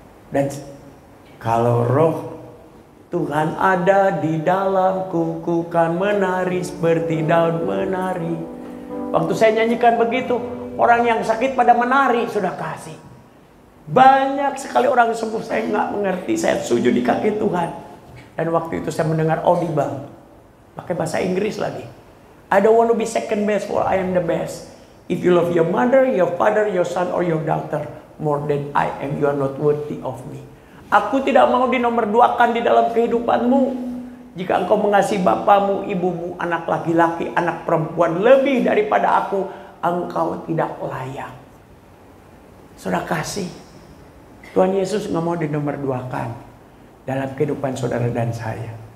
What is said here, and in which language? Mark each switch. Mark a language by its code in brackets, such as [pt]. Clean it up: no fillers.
[id] Dan kalau Roh Tuhan ada di dalamku, ku kan menari seperti daun menari. Waktu saya nyanyikan begitu, orang yang sakit pada menari, sudah kasih. Banyak sekali orang sembuh, saya nggak mengerti. Saya sujud di kaki Tuhan. Dan waktu itu saya mendengar audible. Pakai bahasa Inggris lagi. [en] I don't want to be second best, for I am the best. If you love your mother, your father, your son, or your daughter more than I am, you are not worthy of me. [id] Aku tidak mau dinomorduakan di dalam kehidupanmu. Jika engkau mengasihi bapamu, ibumu, anak laki-laki, anak perempuan lebih daripada aku, engkau tidak layak. Saudara kasih, Tuhan Yesus nggak mau dinomorduakan dalam kehidupan saudara dan saya.